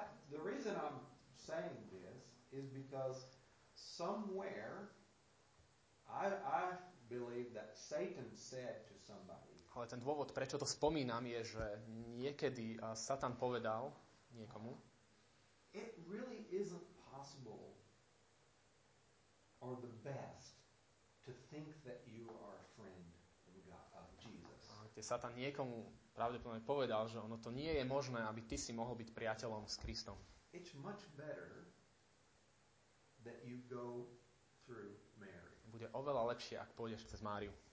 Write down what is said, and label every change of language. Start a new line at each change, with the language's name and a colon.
English: The reason I'm saying this is because somewhere I believe that Satan said to somebody.
Slovak: Ale ten dôvod, prečo to spomínam, je, že niekedy Satan povedal niekomu.
English: It really isn't possible or the best to think that you are a friend of Jesus.
Slovak: A keď Satan niekomu pravdepodobne povedal, že ono to nie je možné, aby ty si mohol byť priateľom s Kristom.
English: It's much better that you go through Mary.
Slovak: Bude oveľa lepšie, ak pôjdeš cez Máriu.